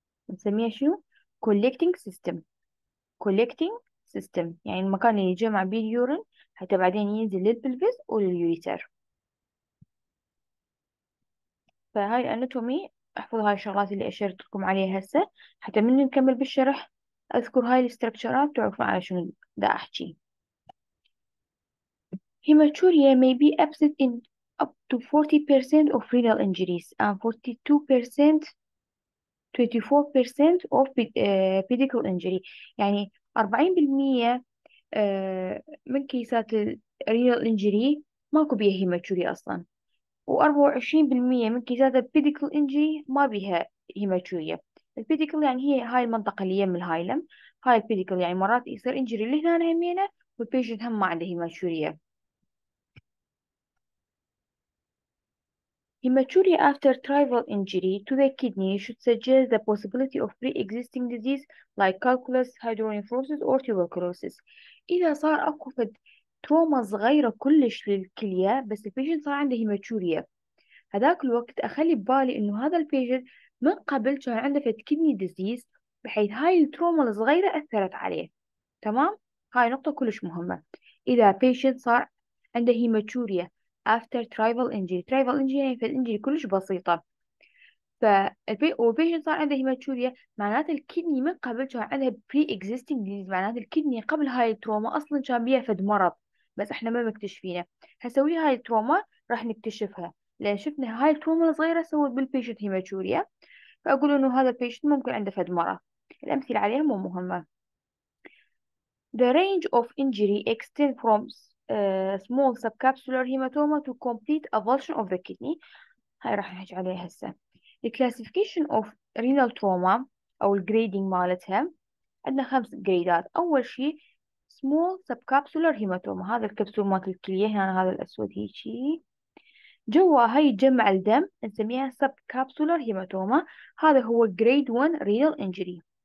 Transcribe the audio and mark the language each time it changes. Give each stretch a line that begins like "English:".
Arabic: نسميها شو؟ كولكتينج سيستم. كولكتينج سيستم يعني المكان اللي يجمع بيه اليورين حتى بعدين ينزل للبلفس ولليوريتر. فهاي الاناتومي، احفظ هاي الشغلات اللي اشرت لكم عليها هسه حتى من نكمل بالشرح اذكر هاي الاستركتشرات تعرفوا على شنو دا احكي.
English: Hematuria may be absent in up to 40% of renal injuries and 42% 24% of pedicle injury.
Arabic: يعني 40% من كيسات ال
English: renal injury
Arabic: ماكو بيها hematuria اصلا، و24% من كيسات البيديكل انجري ما بيها هيماتوريا. البيديكل يعني هي هاي المنطقة اللي يم الهايلم، هاي البيديكل يعني مرات يصير انجري لهنا همينة والبيشنت هم ما عنده هيماتوريا.
English: Hematuria after tribal injury to the kidney should suggest the possibility of pre-existing disease like calculus, hydronephrosis or tuberculosis.
Arabic: إذا صار أكو فد تروما صغيرة كلش للكلية بس البيشنت صار عنده هيماتوريا، هذاك الوقت أخلي ببالي إنه هذا البيشنت من قبل كان عنده فت كيدني ديزيز، بحيث هاي التروما الصغيرة أثرت عليه، تمام. هاي نقطة كلش مهمة. إذا بيشنت صار عنده هيماتوريا
English: after tribal injury.
Arabic: tribal injury يعني في الانجري كلش بسيطة. ف وبيجن صار عنده هيماتوريا معناته الكدني من قبل كان عندها
English: pre existing disease،
Arabic: معناته الكدني قبل هاي التروما اصلا كان بيها فد مرض بس احنا ما مكتشفينه. هسوي هاي التروما راح نكتشفها، لان شفنا هاي التروما الصغيرة سوت بالبيشنت هيماتوريا، فاقول انه هذا البيشنت ممكن عنده فد مرض. الامثلة عليها مو مهمة.
English: The range of injury extend from small subcapsular hematoma to complete avulsion of the kidney.
Arabic: هاي راح نحكي عليها هسه.
English: The classification of renal trauma
Arabic: أو الجريدينج مالتها عندنا 5 جريدات. أول شيء
English: small subcapsular hematoma،
Arabic: هذا الكبسول مالت الكلية هنا، هذا الأسود هيجي جوا هاي يتجمع الدم نسميها subcapsular hematoma، هذا هو
English: grade 1 renal injury.